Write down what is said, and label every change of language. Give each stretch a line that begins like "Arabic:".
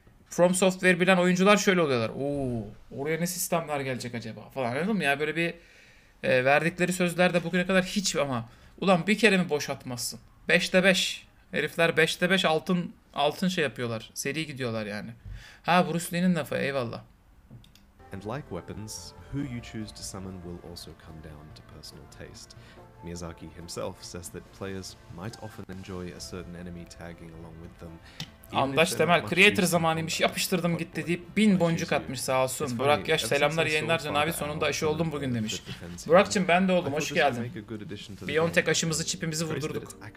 Turkish: From Software bilen oyuncular şöyle oluyorlar. Oo, oraya ne sistemler gelecek acaba falan. Anladın mı? Yani böyle bir verdikleri sözlerde bugüne kadar hiç, ama ulan bir kere mi boş atmazsın? 5'te 5. Herifler 5'te 5 altın şey yapıyorlar. Seri gidiyorlar yani. Ha, Bruce Lee'nin lafı, eyvallah.
English: And like weapons, who you choose to summon will also come down to personal taste. Miyazaki himself says that players might often enjoy a certain enemy tagging along with them.
Turkish: Andaş Temel, Creator zamanıymış, yapıştırdım git deyip 1.000 boncuk atmış, sağ olsun. Burak Yaş, selamlar yayınlar Cenabi, sonunda aşı oldum bugün demiş. Burakcığım ben de oldum, hoş geldin. BioNTech aşımızı, çipimizi vurdurduk.